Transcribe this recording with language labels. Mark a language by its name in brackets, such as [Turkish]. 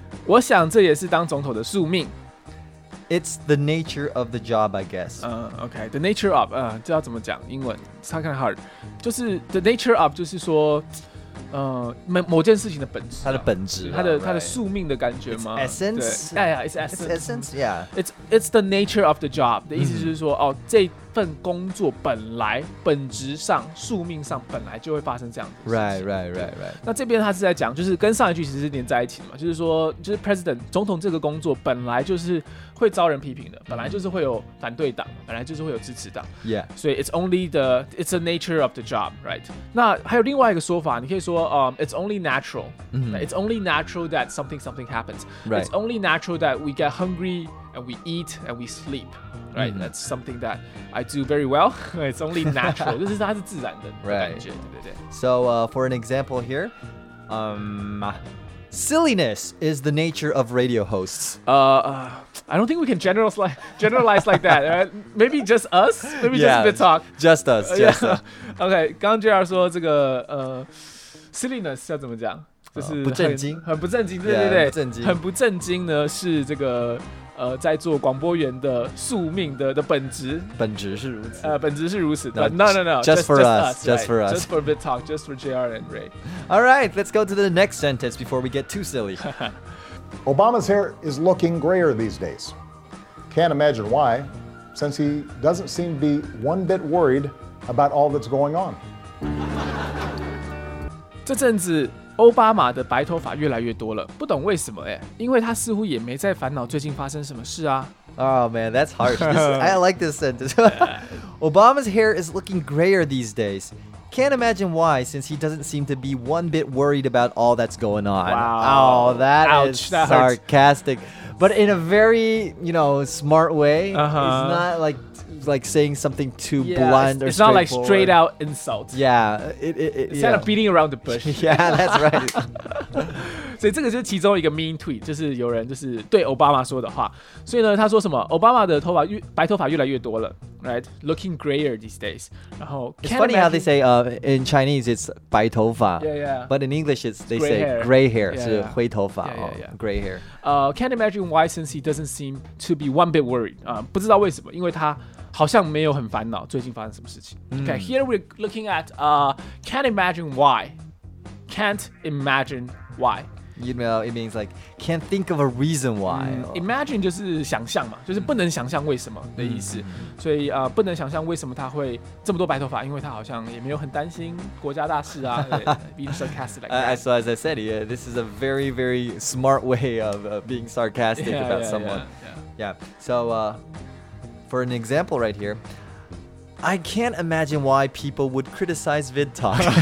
[Chinese] 我想这也是当总统的宿命 [English] It's the nature of the job, I guess. Okay. The nature of, [Chinese] 这要怎么讲英文 [English] It's kind of hard. [Chinese] 就是 the nature of 就是说某件事情的本质、啊。它的本质、啊。它的宿命的感觉吗 [English] It's essence? Yeah, yeah, it's essence. It's essence, yeah. It's the nature of the job. [Chinese] 的意思就是说、这份工作本来本质上宿命上本来就会发生这样的事情 [English] right [Chinese] 那这边他是在讲就是跟上一句其实是连在一起的嘛就是说就是 president 总统这个工作本来就是会遭人批评的本来就是会有反对党本来就是会有支持党 [English] yeah 所以 it's only the it's the nature of the job right [Chinese] 那还有另外一个说法你可以说、 [English] it's only natural、 mm-hmm. it's only natural that something happens、 right. it's only natural that we get hungryAnd we eat and we sleep, right?、Mm-hmm. That's something that I do very well. It's only natural. [Chinese] 就是它是自然的感觉，对对对。 [English] So, for an example here, silliness is the nature of radio hosts. I don't think we can generalize like that. Right? Maybe just us. Maybe yeah, just a bit talk. Just us. Just [Chinese] us. Okay, 刚JR 说这个silliness 要怎么讲？就是不正经，很不正经。对对对， yeah, 不正经。很不正经呢是这个。在做广播员的宿命 的本质，本质是如此。本质是如此。 [English] No, no, no, no. Just for us. Just for us. Just for VidTalk. Just for JR and Ray. All right, let's go to the next sentence before we get too silly. Obama's hair is looking grayer these days. Can't imagine why, since he doesn't seem to be one bit worried about all that's going on. [Chinese] 这阵子。奥巴马的白头发越来越多了，不懂为什么哎，因为他似乎也没在烦恼最近发生什么事啊。 [English] Oh man, that's harsh. I like this sentence. Obama's hair is looking grayer these days. Can't imagine why, since he doesn't seem to be one bit worried about all that's going on. Wow. Oh, that Ouch, is sarcastic, but in a very, you know, smart way. Uh-huh. It's not like. Like saying something too yeah, blunt or it's not like straight out insult. Yeah, it's kind of beating around the bush. Yeah, that's right. [Chinese] 所以这个就是其中一个 mean tweet， 就是有人就是对奥巴马说的话。所以呢，他说什么？奥巴马的头发白头发越来越多了 ，right? [English] Looking grayer these days. 然后 it's funny how they say in Chinese it's 白头发，yeah yeah. But in English it's they say gray hair [Chinese] 是灰头发哦 [English] ，gray hair. Can't imagine why since he doesn't seem to be one bit worried. [Chinese] 不知道为什么，因为他好像没有很烦恼最近发生什么事情。 [English] Okay, here we're looking at can't imagine why. Can't imagine why. You know, it means like can't think of a reason why. [Chinese] Imagine 就是想象嘛，就是不能想象为什么的意思。所以不能想象为什么他会这么多白头发，因为他好像也没有很担心国家大事啊。 [English] being sarcastic like that. So as I said, yeah, this is a very, very smart way of being sarcastic about someone. Yeah. So for an example right here. I can't imagine why people would criticize VidTalk.